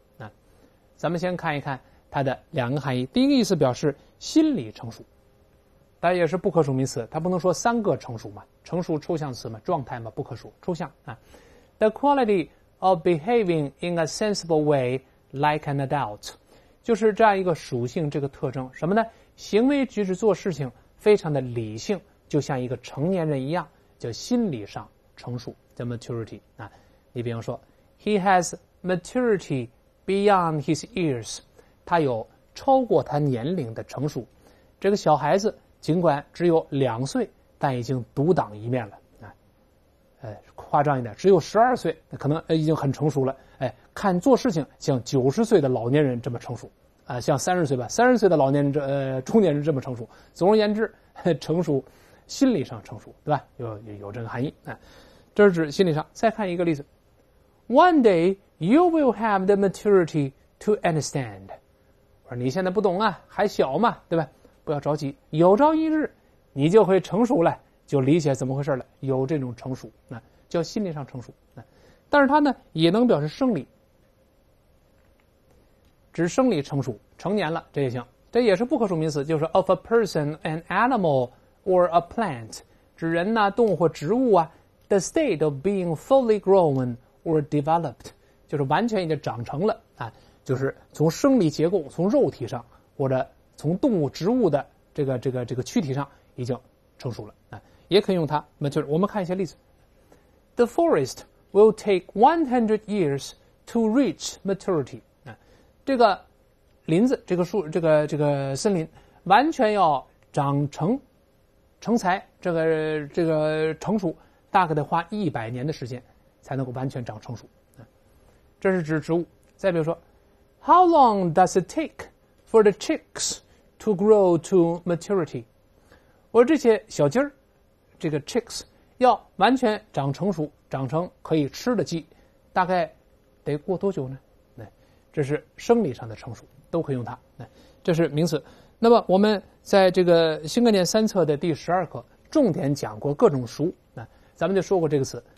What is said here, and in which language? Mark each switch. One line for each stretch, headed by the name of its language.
Chinese: 那咱们先看一看它的两个含义。第一个意思表示心理成熟，它也是不可数名词，它不能说三个成熟嘛，成熟抽象词嘛，状态嘛，不可数，抽象啊。
English: The quality of behaving in a sensible way like an adult，
Chinese: 就是这样一个属性，这个特征什么呢？行为举止做事情非常的理性，就像一个成年人一样，叫心理上成熟，叫 maturity 啊。你比方说 ，
English: He has maturity beyond his years，
Chinese: 他有超过他年龄的成熟。这个小孩子尽管只有两岁，但已经独当一面了。夸张一点，只有12岁，那可能已经很成熟了。看做事情像90岁的老年人这么成熟啊，像30岁吧，30岁的老年人中年人这么成熟。总而言之，成熟，心理上成熟，对吧？有这个含义啊。这是指心理上。再看一个例子 ，
English: One day you will have the maturity to understand。
Chinese: 我说你现在不懂啊，还小嘛，对吧？不要着急，有朝一日你就会成熟了，就理解怎么回事了。有这种成熟，那叫心理上成熟。但是它呢，也能表示生理，指生理成熟，成年了这也行。这也是不可数名词，就是
English: of a person, an animal, or a plant，
Chinese: 指人呐、动物或植物啊。
English: The state of being fully grown or developed，
Chinese: 就是完全已经长成了啊，就是从生理结构、从肉体上或者从动物、植物的这个躯体上已经成熟了啊。也可以用它，那就是我们看一些例子。
English: The forest will take 100 years to reach maturity。
Chinese: 这个林子、这个森林完全要长成、成材，这个成熟，大概得花100年的时间才能够完全长成熟。这是指植物。再比如说 ，
English: How long does it take for the chicks to grow to maturity？
Chinese: 我说这些小鸡儿，这个 chicks 要完全长成熟，长成可以吃的鸡，大概得过多久呢？这是生理上的成熟，都可以用它。这是名词。那么我们在这个新概念三册的第12课重点讲过各种熟，咱们就说过这个词。